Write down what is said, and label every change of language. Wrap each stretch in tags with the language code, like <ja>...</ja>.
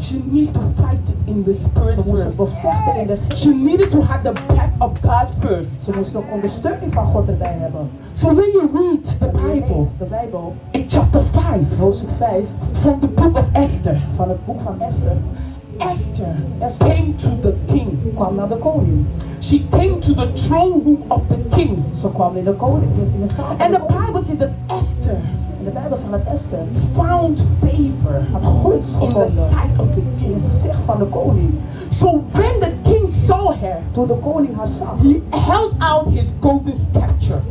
<en>She needs to fight it in the spirit first. She needed to have the back of God first.</en> <nl>Ze moest ook ondersteuning van God erbij hebben.</nl> <en>So when you read the Bible, in chapter 5,</en> <nl>hoofdstuk 5,</nl> <en>from the book of Esther,</en> <nl>van het boek van Esther.</nl> <en>Esther came to the king.</en> <nl>Kwam naar de koning.</nl> <en>She came to the throne room of the king.</en> <nl>Ze kwam in de koning. In de zaal.</nl> <en>And the Bible says that Esther.</en> <nl>In de Bijbel staat dat Esther</nl> <en>found favor.</en> <nl>Had goeds gevonden.</nl> <en>In the sight of the king.</en> <nl>In het zicht van de koning.</nl> <en>So when the king saw her,</en> <nl>toen de koning haar zag,</nl> <en>he held out his golden scepter.</en>